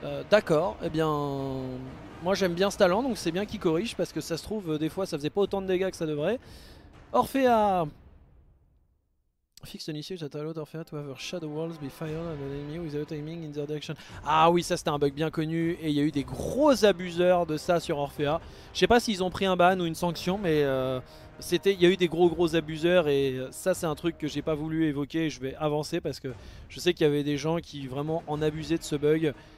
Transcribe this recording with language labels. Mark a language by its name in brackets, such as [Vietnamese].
[French] D'accord, et eh bien moi j'aime bien ce talent, donc c'est bien qu'il corrige parce que ça se trouve des fois ça faisait pas autant de dégâts que ça devrait. [English] Orphea Fix an issue that allowed Orphea to have her shadow walls be fired at an enemy without aiming in their direction. [French] Ah oui, ça c'était un bug bien connu et il y a eu des gros abuseurs de ça sur Orphea. Je sais pas s'ils ont pris un ban ou une sanction, mais il y a eu des gros abuseurs et ça c'est un truc que j'ai pas voulu évoquer et je vais avancer parce que je sais qu'il y avait des gens qui vraiment en abusaient de ce bug.